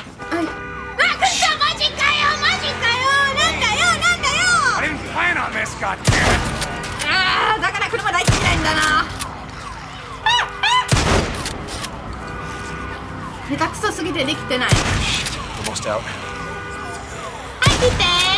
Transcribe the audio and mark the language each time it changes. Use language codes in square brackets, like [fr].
[ja] はい、あ、くそ、マジかよ、なんだよ。 [en] I didn't plan on this, God damn it. [ja] あー、だから車大好きなんだな。下手くそすぎてできてない。 [en] Almost out. [ja] 入って、